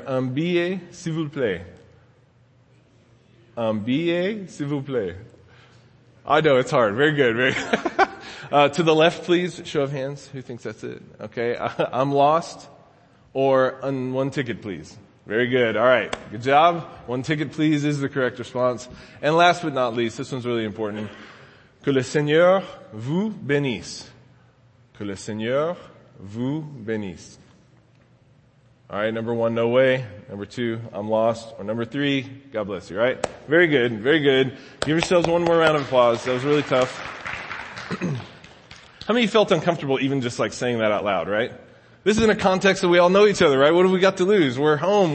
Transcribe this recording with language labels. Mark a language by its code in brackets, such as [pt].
[fr] Billet, s'il vous plaît. Billet, s'il vous plaît. [en] I know it's hard. Very good. Very good. To the left, please. Show of hands. Who thinks that's it? Okay. I'm lost. Or one ticket, please. Very good. All right. Good job. One ticket, please, is the correct response. And last but not least, this one's really important. [fr] Que le Seigneur vous bénisse. Que le Seigneur vous bénisse. [en] All right. Number one, no way. Number two, I'm lost. Or number three, God bless you, right? Very good. Very good. Give yourselves one more round of applause. That was really tough. How many felt uncomfortable even just like saying that out loud, right? This is in a context that we all know each other, right? What have we got to lose? We're home.